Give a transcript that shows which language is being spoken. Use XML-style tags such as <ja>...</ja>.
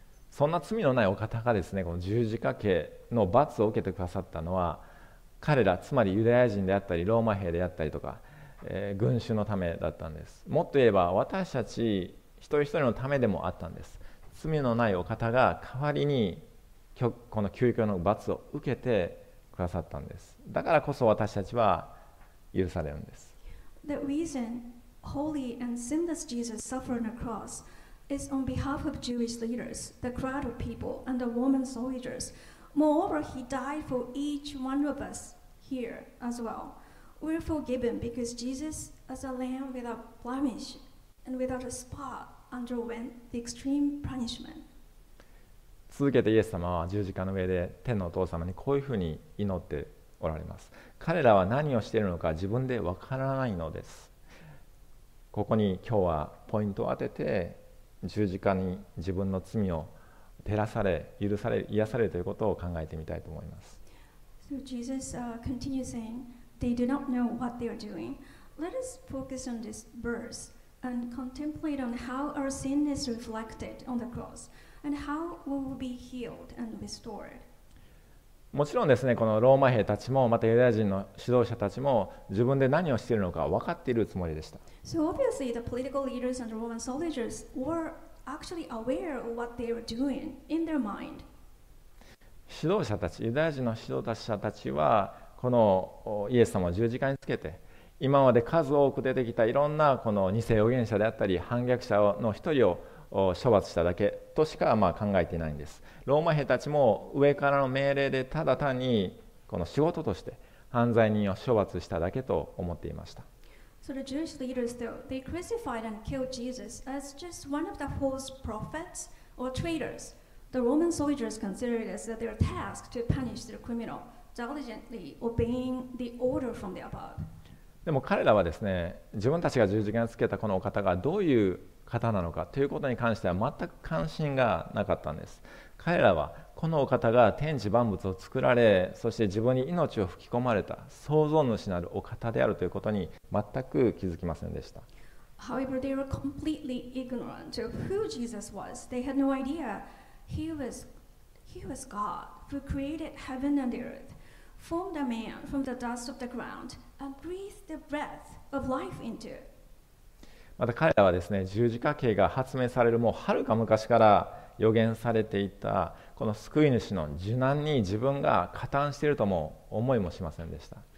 <ja>そんな罪のないお方がですね、この十字架刑の罰を受けてくださったのは、彼らつまりユダヤ人であったりローマ兵であったりとか、群衆のためだったんです。もっと言えば私たち一人一人のためでもあったんです。罪のないお方が代わりにこの究極の罰を受けてくださったんです。だからこそ私たちは許されるんです。</ja> <en>The reason holy and sinless Jesus suffered on the cross is on behalf of Jewish leaders, the crowd of people and the Roman soldiersMoreover, he died for each one of us here as well. We're forgiven because Jesus, as a lamb without blemish and without a spot, underwent the extreme punishment.</en> <ja>続けてイエス様は十字架の上で天のお父様にこういうふうに祈っておられます。彼らは何をしているのか自分でわからないのです。ここに今日はポイントを当てて、十字架に自分の罪を照らされ許され癒されるということを考えてみたいと思います。</ja> <en>So Jesus continues saying they do not know what they are doing. Let us focus on this verse and contemplate on how our sin is reflected on the cross and how we will be healed and restored.</en> <ja>もちろんですね、このローマ兵たちもまたユダヤ人の指導者たちも自分で何をしているのか分かっているつもりでした。</ja> <en>So obviously the political leaders and the Roman soldiers wereActually aware of what they were doing in their mind.</en> <ja>指導者たち、ユダヤ人の指導者たちはこのイエス様を十字架につけて、今まで数多く出てきたいろんなこの偽預言者であったり反逆者の一人を処罰しただけとしかまあ考えていないんです。ローマ兵たちも上からの命令でただ単にこの仕事として犯罪人を処罰しただけと思っていました。</ja> <en>So the Jewish leaders, though, they crucified and killed Jesus as just one of the false prophets or traitors. The Roman soldiers considered it as their task to punish the criminal, diligently obeying the order from the above.</en> <ja>でも彼らはですね、自分たちが十字架につけたこのお方がどういう方なのかということに関しては全く関心がなかったんです。彼らはこのお方が天地万物を作られ、そして自分に命を吹き込まれた創造主なるお方であるということに全く気づきませんでした。</ja> <en>However, they were completely ignorant of who Jesus was. They had no idea he was God who created heaven and earth, formed a man from the dust of the ground, and breathed the breath of life into.</en> <ja>また彼らはですね、十字架刑が発明されるもうはるか昔から予言されていたこの救い主の受難に自分が加担しているとも思いもしませんでした。</ja>